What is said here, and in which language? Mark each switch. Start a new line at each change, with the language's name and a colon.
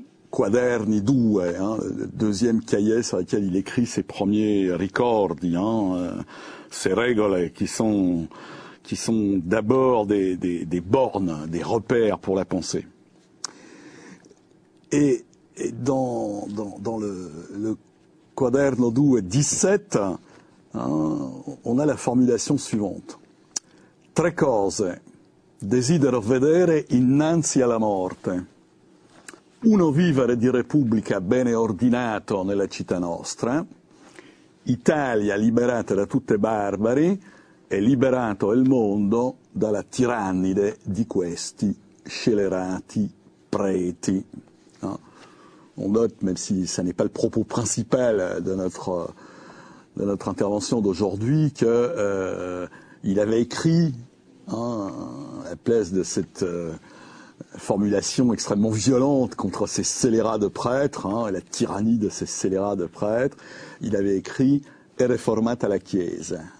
Italian: quaderni due,
French: hein, le deuxième cahier sur lequel il écrit ses premiers ricordi, hein, ses regole qui sont d'abord des bornes, des repères pour la pensée. Et dans le quaderno 2 17, hein, on a la formulation suivante.
Italian: Tre cose desidero vedere innanzi alla morte. Uno vivere di Repubblica bene ordinato nella città nostra. Italia liberata da tutte barbari e liberato il mondo dalla tirannide di questi scelerati preti.
French: On note, même si ce n'est pas le propos principal de notre intervention d'aujourd'hui, qu'il avait écrit, hein, à la place de cette formulation extrêmement violente contre ces scélérats de prêtres, hein, la tyrannie de ces scélérats de prêtres, il avait écrit « Et
Italian: réformate à la Chiesa ».